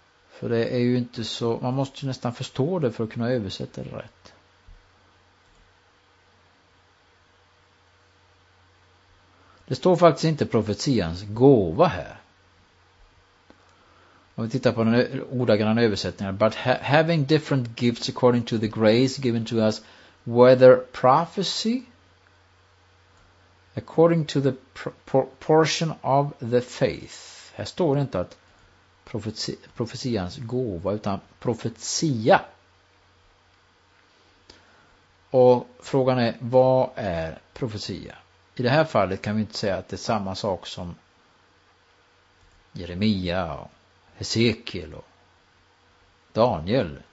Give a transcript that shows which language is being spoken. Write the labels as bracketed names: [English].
[Swedish] För det är ju inte så, man måste ju nästan förstå det för att kunna översätta det rätt. Det står faktiskt inte profetians gåva här. Om vi tittar på den ordagranna översättningen. [English] But having different gifts according to the grace given to us, whether prophecy according to the portion of the faith. [Swedish] Här står det inte att profetians gåva, utan profetia. Och frågan är, vad är profetia? I det här fallet kan vi inte säga att det är samma sak som Jeremia och Ezekiel och Daniel.